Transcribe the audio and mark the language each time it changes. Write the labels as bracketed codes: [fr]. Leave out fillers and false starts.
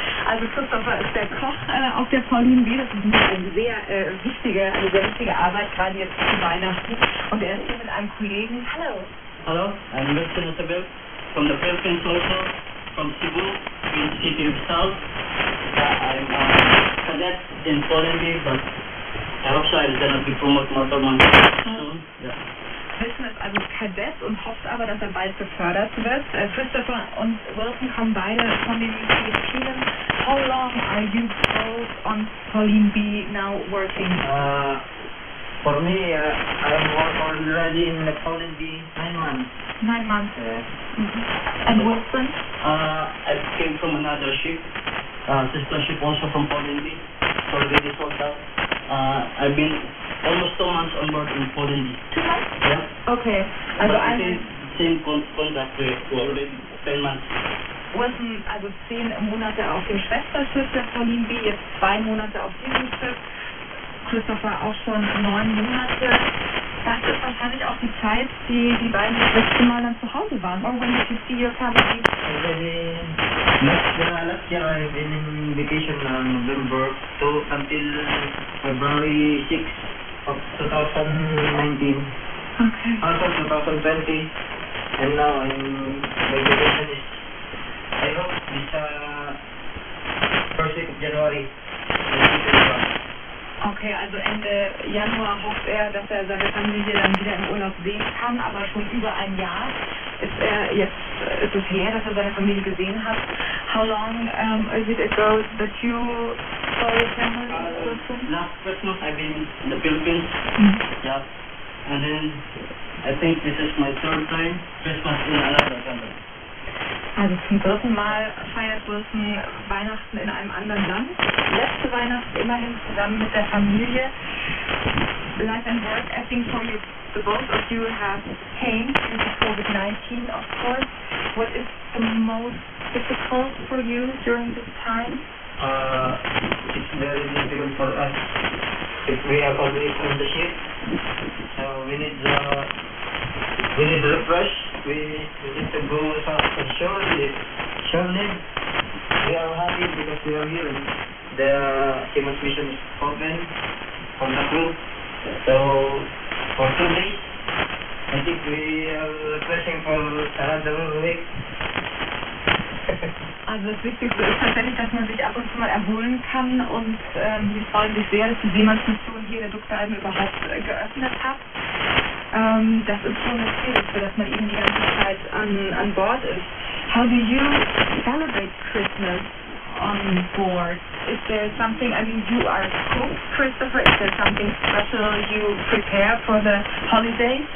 [de] Also Christopher ist der Koch auf der Pauline B. Das ist eine sehr wichtige Arbeit, gerade jetzt zu Weihnachten. Und er ist hier mit einem Kollegen. Hallo. [en] Hallo, I'm Mr. Isabel from the Philippines also, from Cebu, in the city of South. I'm a cadet in Poland, but I hope so I will not be promoted more than one soon. [de] Wilson ist also Kadett und hofft aber, dass er bald befördert wird. Christopher und Wilson kommen beide von den Philippinen. [en] How long are you both on Pauline B now working? For me, I'm already in the Pauline B 9 months. 9 months. Mm-hmm. And Wilson? I came from another ship, sister ship also from Pauline B. So this is what I've been almost 2 months on board in Pauline B. 2 months? Yeah. Okay. But I'm in the same contract already 10 months. [de] Wurden also 10 Monate auf dem Schwesterschiff der Pauline B, jetzt 2 Monate auf diesem Schiff. Christopher auch schon 9 Monate. Das ist wahrscheinlich auch die Zeit, die die beiden das letzte Mal dann zu Hause waren. [en] Or when did you see your family? Last year I've been in vacation in November, so until February 6th of 2019. Okay. Also 2020. And now I'm my vacation is I hope this first week of January. [de] Okay, also Ende Januar hofft er, dass er seine Familie dann wieder im Urlaub sehen kann, aber schon über ein Jahr ist er jetzt ist es her, dass er seine Familie gesehen hat. [en] How long is it ago that you saw your family? Last Christmas I've been in the Philippines. Mm-hmm. Yeah. And then I think this is my third time Christmas in another country. [de] Also zum dritten Mal feiert Wilson Weihnachten in einem anderen Land. Letzte Weihnacht immerhin zusammen mit der Familie. [en] Life and work, I think for you, the both of you have pain due to COVID-19, of course. What is the most difficult for you during this time? It's very difficult for us. If we are only on the ship, so we need the refresh. We need to go for surely. We are happy because we are here. The Seamus mission is open from the crew. So for 2 days, I think we are refreshing for another week. [de] Also das Wichtigste ist tatsächlich, dass man sich ab und zu mal erholen kann und wir freuen sich sehr, dass die Seamus mission hier der Dr. Alben überhaupt geöffnet hat. Das ist schon das Ziel, dass man eben die ganze Zeit an Bord ist. [en] How do you celebrate Christmas on board? Is there something, I mean, you are a cook, Christopher, is there something special you prepare for the holidays?